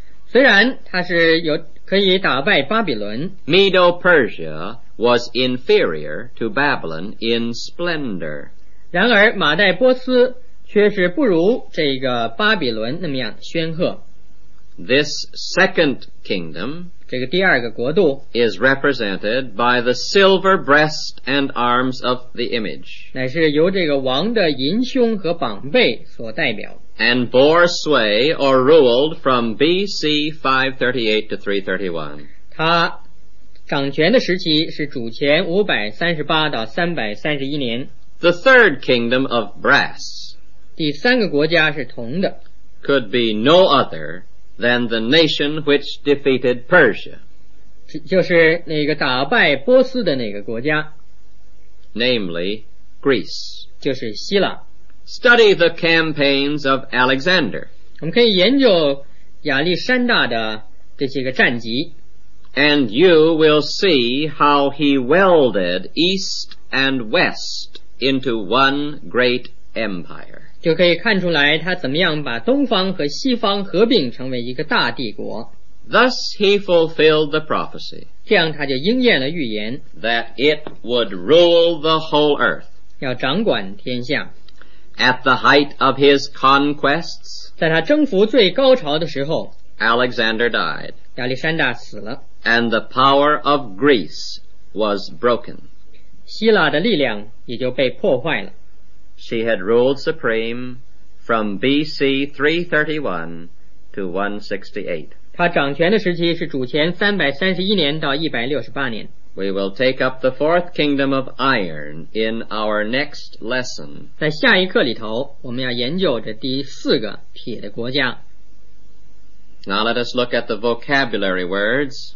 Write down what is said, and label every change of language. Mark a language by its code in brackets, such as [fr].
[zh] 虽然她是有可以打败巴比伦， [en] Medo-Persia was inferior to Babylon in splendor, [zh] 然而马代波斯却是不如这个巴比伦那么样的宣赫。 [en] This second kingdom, [zh] 这个第二个国度 [en] is represented by the silver breast and arms of the image. [zh] 乃是由这个王的银胸和膀背所代表。 [en] And bore sway or ruled from B.C. 538 to 331. [zh] 他掌权的时期是主前538到331年。 [en] The third kingdom of brass. [zh] 第三个国家是铜的。 [en] Could be no other than the nation which defeated Persia. [zh] 就是那个打败波斯的那个国家。 [en] Namely, Greece. [zh] 就是希腊。 [en] Study the campaigns of Alexander. [zh] 我们可以研究亚历山大的这些个战绩。 [en] And you will see how he welded east and west into one great empire. [zh] 就可以看出来他怎么样把东方和西方合并成为一个大帝国。 [en] Thus he fulfilled the prophecy. [zh] 这样他就应验了预言。 [en] That it would rule the whole earth. [zh] 要掌管天下。 [en] At the height of his conquests, [zh] 在他征服最高潮的时候, [en] Alexander died, [zh] 亚历山大死了, [en] and the power of Greece was broken. [zh] 希腊的力量也就被破坏了。 [en] She had ruled supreme from B.C. 331 to 168. [zh] 他掌权的时期是主前331年到168年。 [en] We will take up the fourth kingdom of iron in our next lesson. [zh] 在下一课里头，我们要研究这第四个铁的国家。 [en] Now let us look at the vocabulary words.